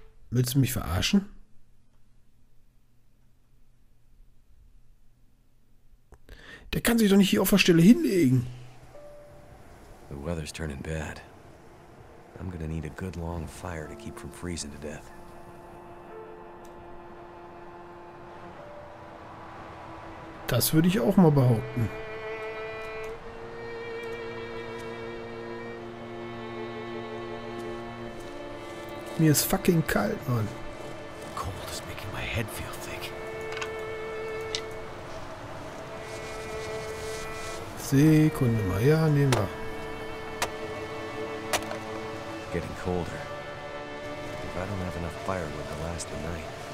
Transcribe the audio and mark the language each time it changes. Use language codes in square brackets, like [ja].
[de] Willst du mich verarschen? Der kann sich doch nicht hier auf der Stelle hinlegen. [en] The weather's turning bad. I'm gonna need a good long fire to keep from freezing to death. [de] Das würde ich auch mal behaupten. Mir ist fucking kalt, Mann. [en] Cold is making my head feel thick. [de] Sekunde mal, ja, nehmen wir. [en] Getting colder. If I don't have enough firewood to last the night.